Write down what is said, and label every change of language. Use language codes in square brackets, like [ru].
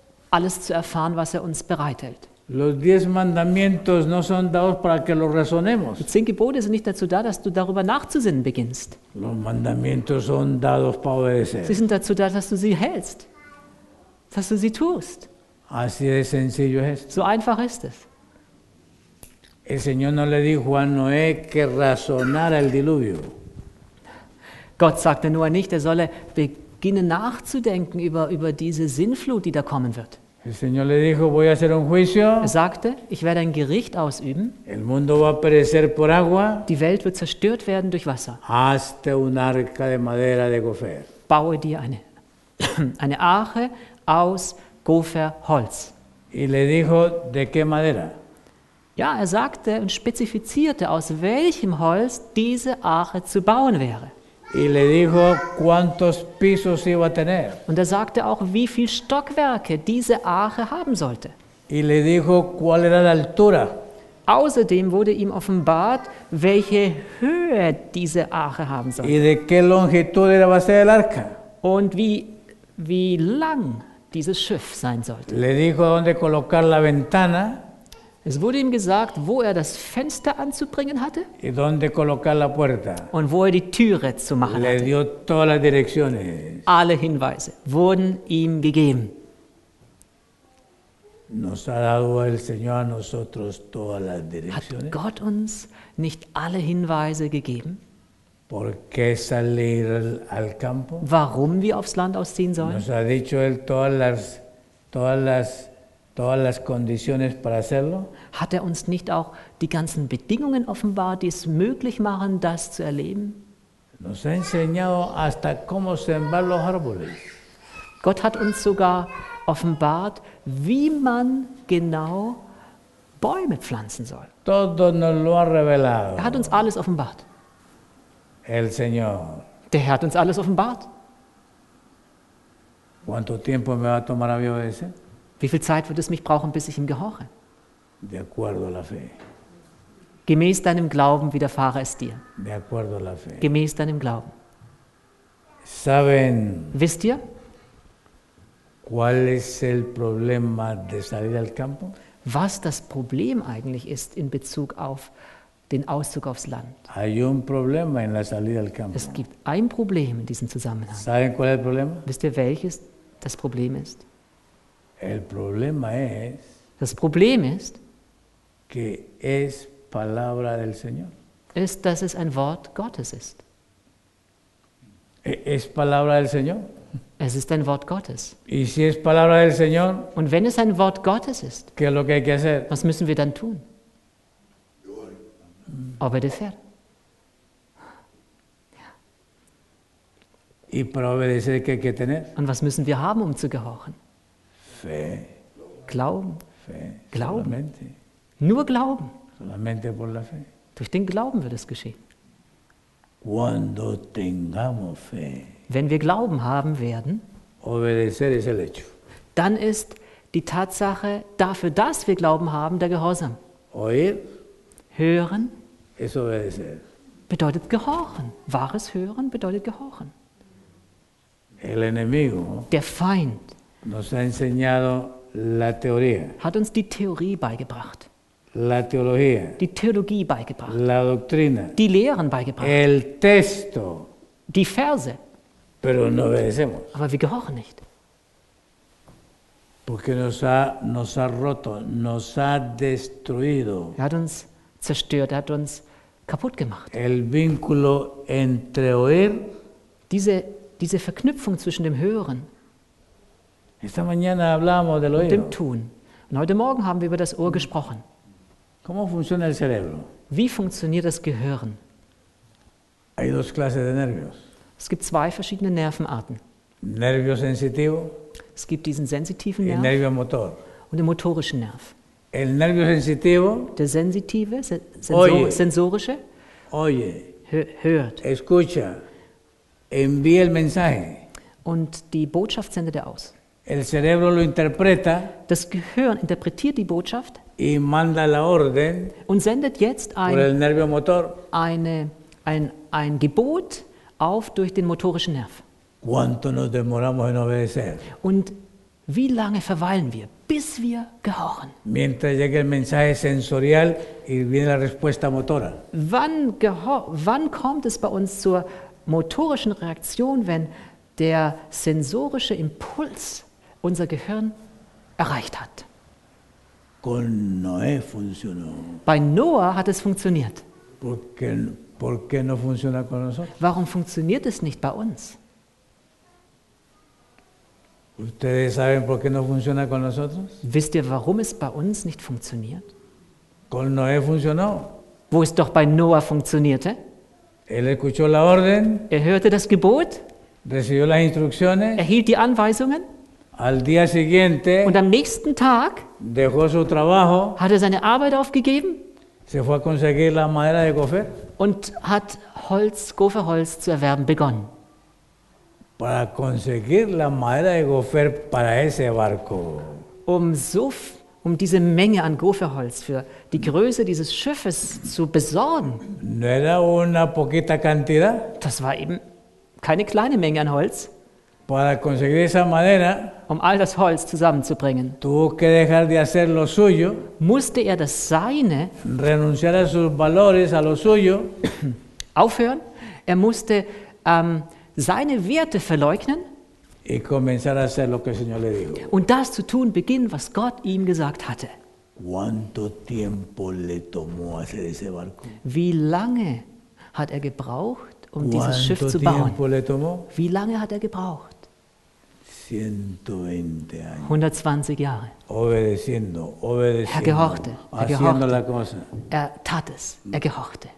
[de] alles zu erfahren, was er uns bereithält. [es] Los diez mandamientos no son dados para que los razonemos. [de] Die 10 Gebote sind nicht dazu da, dass du darüber nachzusinnen beginnst. [es] Los mandamientos son dados para obedecer. [de] Sie sind dazu da, dass du sie hältst, dass du sie tust. [es] Así de sencillo es. [de] So einfach ist es. [es] El Señor no le dijo a Noé que razonara el diluvio. [de] Gott sagte Noé nicht, er solle beginnen nachzudenken über diese Sinnflut, die da kommen wird. [es] El Señor le dijo, voy a hacer un juicio. [de] Er sagte, ich werde ein Gericht ausüben. [es] El mundo va a perecer por agua. [de] Die Welt wird zerstört werden durch Wasser. [es] Hazte un arca de madera de gofer. [de] Baue dir eine Arche aus Gopher Holz. [es] Y le dijo, ¿de qué madera? [de] Ja, er sagte und spezifizierte, aus welchem Holz diese Arche zu bauen wäre. [es] Y le dijo, ¿cuántos pisos iba a tener? [de] Und er sagte auch, wie viel Stockwerke diese Arche haben sollte. [es] Y le dijo, ¿cuál era la altura? [de] Außerdem wurde ihm offenbart, welche Höhe diese Arche haben sollte. [es] Y de qué longitud era va a ser el arca? [de] Und wie lang dieses Schiff sein sollte. [es] Le dijo, ¿dónde colocar la ventana? [de] Es wurde ihm gesagt, wo er das Fenster anzubringen hatte [es] y dónde colocar la puerta. [de] Und wo er die Türe zu machen [es] le [de] hatte. [es] Dio todas las direcciones. [de] Alle Hinweise wurden ihm gegeben. [es] Nos ha dado el Señor a nosotros todas las direcciones. [de] Hat Gott uns nicht alle Hinweise gegeben? [es] ¿Por qué salir al campo? [de] Warum wir aufs Land ausziehen sollen? [es] Nos ha dicho él todas las condiciones para hacerlo. [de] Hat er uns nicht auch die ganzen Bedingungen offenbart, die es möglich machen, das zu erleben? [es] Nos ha enseñado hasta cómo sembrar los árboles. [de] Gott hat uns sogar offenbart, wie man genau Bäume pflanzen soll. [es] Todo nos lo ha revelado. [de] Er hat uns alles offenbart. [es] El Señor. [de] Der Herr hat uns alles offenbart. [es] ¿Cuánto tiempo me va a tomar a mí obedecer? [de] Wie viel Zeit wird es mich brauchen, bis ich ihm gehorche? [es] De acuerdo a la fe. [de] Gemäß deinem Glauben widerfahre es dir. [es] De acuerdo a la fe. [de] Gemäß deinem Glauben. [es] ¿Saben? [de] Wisst ihr? [es] ¿Cuál es el problema de salir al campo? [de] Was das Problem eigentlich ist in Bezug auf den Auszug aufs Land. [es] Hay un problema en la salida al campo. [de] Es gibt ein Problem in diesem Zusammenhang. [es] ¿Saben cuál es el problema? [de] Wisst ihr, welches das Problem ist? [es] El problema es, [de] das Problem ist, [es] que es palabra del Señor. [de] Ist, dass es ein Wort Gottes ist. [es] ¿Es palabra del Señor? [de] Es ist ein Wort Gottes. [es] ¿Y si es palabra del Señor? [de] Und wenn es ein Wort Gottes ist, [es] ¿qué es lo que hay que hacer? [de] Was müssen wir dann tun? [es] Obedecer. Y para obedecer, ¿qué hay que tener? [de] Und was müssen wir haben, um zu gehorchen? [es] Fe. [de] Glauben. [es] Fe. [de] Glauben. [es] Solamente. [de] Nur Glauben. [es] Solamente por la fe. [de] Durch den Glauben wird es geschehen. [es] Cuando tengamos fe. [de] Wenn wir Glauben haben werden, [es] obedecer es el hecho. [de] Dann ist die Tatsache dafür, dass wir Glauben haben, der Gehorsam. [es] Oír. [de] Hören. [es] Es obedecer. [de] Bedeutet gehorchen. Wahres Hören bedeutet gehorchen. [es] El enemigo. [de] Der Feind. [es] Nos ha enseñado la teoría. [de] Hat uns die Theorie beigebracht. [es] La teología. [de] Die Theologie beigebracht. [es] La doctrina. [de] Die Lehren beigebracht. [es] El texto. [de] Die Verse. [es] Pero no obedecemos. [de] Aber wir gehorchen nicht. [es] Porque nos ha roto, nos ha destruido. [de] Er hat uns zerstört, er hat uns kaputt gemacht. [es] El vínculo entre oír, [de] diese Verknüpfung zwischen dem Hören [es] esta mañana hablamos del [de] und dem Tun. Und heute Morgen haben wir über das Ohr gesprochen. [es] ¿Cómo funciona el cerebro? [de] Wie funktioniert das Gehirn? [es] Hay dos clases de nervios. [de] Es gibt zwei verschiedene Nervenarten. [es] Nervio sensitivo. [de] Es gibt diesen sensitiven Nerv. [es] El nervio motor. [de] Und den motorischen Nerv. [es] El nervio sensitivo, [de] der sensitive, sensorische, [es] oye, [de] hört, [es] escucha, envía el mensaje, [de] und die Botschaft sendet er aus. [es] El cerebro lo interpreta, [de] das Gehirn interpretiert die Botschaft [es] y manda la orden, [de] und sendet jetzt ein Gebot auf durch den motorischen Nerv. [es] ¿Cuánto nos demoramos en obedecer? [de] Und Wie lange verweilen wir, bis wir gehorchen? [es] Mientras llega el mensaje sensorial y viene la respuesta motora. [de] Wann kommt es bei uns zur motorischen Reaktion, wenn der sensorische Impuls unser Gehirn erreicht hat? [es] Con Noé funcionó. [de] Bei Noah hat es funktioniert. [es] ¿Por qué no funciona con nosotros? [de] Warum funktioniert es nicht bei uns? [es] ¿Ustedes saben por qué no funciona con nosotros? [de] Wisst ihr, warum es bei uns nicht funktioniert? [es] Con Noé funcionó. [de] Wo es doch bei Noah funktionierte? [es] Él escuchó la orden. [de] Er hörte das Gebot. [es] Recibió las instrucciones. [de] Erhielt die Anweisungen. [es] Al día siguiente. [de] Und am nächsten Tag. [es] Dejó su trabajo. [de] Hat er seine Arbeit aufgegeben. [es] Se fue a conseguir la madera de gofer. [de] Und hat Holz, Gopherholz zu erwerben begonnen. [es] Para conseguir la madera de gofer para ese barco. [de] Um diese Menge an Gopherholz für die Größe dieses Schiffes zu besorgen. [es] No era una poquita cantidad. [de] Das war eben keine kleine Menge an Holz. [es] Para conseguir esa madera, [de] um all das Holz zusammenzubringen, [es] tuvo que dejar de hacer lo suyo, [de] musste er das Seine [es] renunciar a sus valores, a lo suyo, [de] aufhören. Er musste seine Werte verleugnen [es] y comenzar a hacer lo que el Señor le dijo. [de] Und das zu tun beginnen, was Gott ihm gesagt hatte. ¿Cuánto tiempo le tomó hacer ese barco? Wie lange hat er gebraucht, um dieses Schiff zu bauen? Wie lange hat er gebraucht? 120 Jahre. [es] Obedeciendo. [de] Er gehorchte. [es] La cosa. [de] Er tat es. Er gehorchte.